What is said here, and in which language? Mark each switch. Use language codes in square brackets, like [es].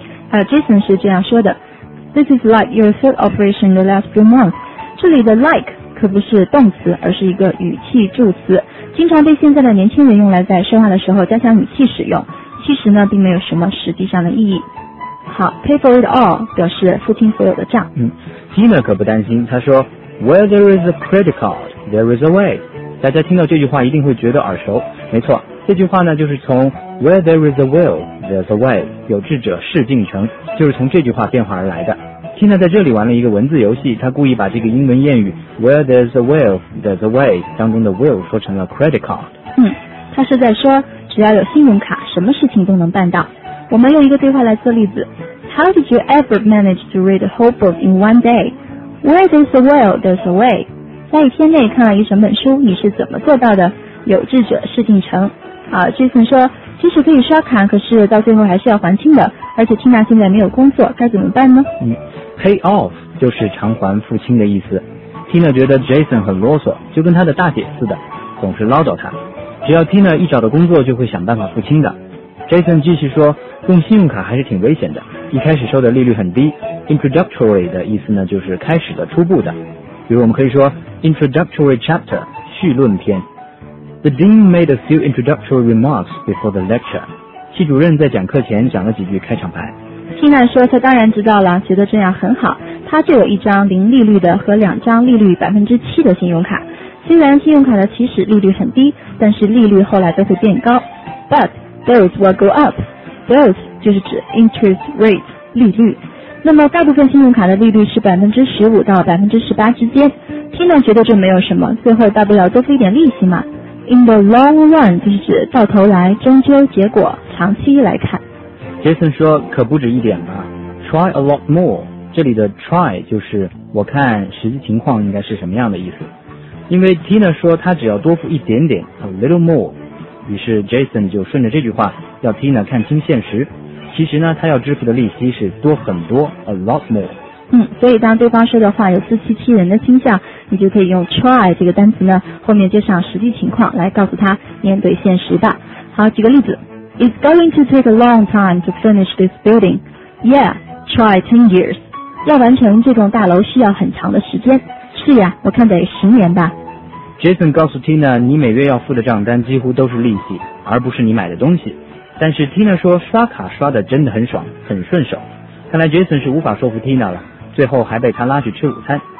[en] Jason [zh] 是这样说的， [en] This is like your third operation in the last few months. [zh] 这里的 like 可不是动词，而是一个语气助词，经常被现在的年轻人用来在说话的时候加强语气使用，其实呢并没有什么实际上的意义。好， [en] pay for it all [zh] 表示付清所有的账。 [en] Tina [zh] 可不担心，她说 [en] Where there is a credit card, there is a way。 [zh] 大家听到这句话一定会觉得耳熟，没错，这句话呢就是从 [en] Where there is a will, there's a way， [zh] 有志者事竟成，就是从这句话变化而来的。 Tina 在这里玩了一个文字游戏，她故意把这个英文谚语 [en] Where there's a will, there's a way [zh] 当中的 will 说成了 credit card。她是在说只要有信用卡什么事情都能办到。我们用一个对话来做例子。 [en] How did you ever manage to read a whole book in one day? Where there's a will, there's a way. [zh] 在一天内看了一整本书，你是怎么做到的？有志者事竟成。Jason 说，即使可以刷卡，可是到最后还是要还清的。而且 Tina 现在没有工作，该怎么办呢？ [en] Pay off [zh] 就是偿还付清的意思。Tina 觉得 Jason 很啰嗦，就跟他的大姐似的，总是唠叨他。只要 Tina 一找到工作，就会想办法付清的。 Jason 继续说，用信用卡还是挺危险的，一开始收的利率很低。 Introductory 的意思呢就是开始的，初步的，比如我们可以说 [en] Introductory chapter [zh] 序论篇。 [en] The dean made a few introductory remarks before the lecture. [zh] 系主任在讲课前讲了几句开场白。 Tina 说他当然知道了，觉得这样很好，他就有一张零利率的和两张利率 7% 的信用卡。虽然信用卡的起始利率很低，但是利率后来都会变高。 [en] ButThose will go up. Those [zh] 就是指 [en] interest rate 利率。 [zh] 那么大部分信用卡的利率是15%到18%之间。 Tina 觉得这没有什么，最后大不了多付一点利息嘛。 [en] In the long run [zh] 就是指到头来、终究、结果、长期来看。 Jason 说可不止一点吧。 [en] Try a lot more. [zh] 这里的 try 就是我看实际情况应该是什么样的意思。因为 Tina 说她只要多付一点点 ， [en] a little more。 [zh] 于是 Jason 就顺着这句话要 Tina 看清现实，其实呢他要支付的利息是多很多， [en] a lot more。 [zh] 所以当对方说的话有自欺欺人的倾向，你就可以用 try 这个单词呢后面接上实际情况来告诉他面对现实吧。好，举个例子， [en] It's going to take a long time to finish this building. Yeah, try 10 years. [zh] 要完成这栋大楼需要很长的时间。是呀，我看得10年吧。 Jason 告诉 Tina， 你每月要付的账单几乎都是利息，而不是你买的东西。但是 Tina 说刷卡刷得真的很爽，很顺手。看来 Jason 是无法说服 Tina 了，最后还被他拉去吃午餐。